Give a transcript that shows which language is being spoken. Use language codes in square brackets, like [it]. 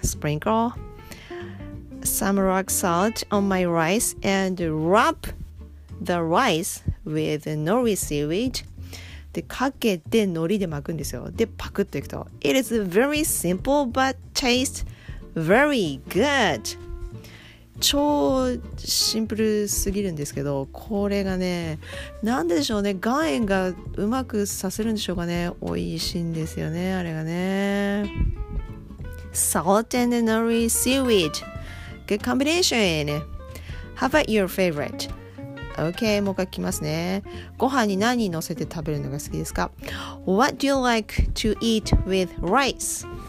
[en] Sprinkle some rock salt on my rice and wrap the rice with nori seaweed. [ja] で、かけて海苔で巻くんですよ。で、パクッといくと。 [en] It is very simple but tastes very good. [ja] 超シンプルすぎるんですけど、これがね、なんででしょうね、岩塩がうまくさせるんでしょうかね、美味しいんですよね、あれがね。 [en] Salt and nori seaweed. Good combination. How about your favorite? Okay, [ja] もう一回聞きますね。ご飯に何乗せて食べるのが好きですか? [en] What do you like to eat with rice?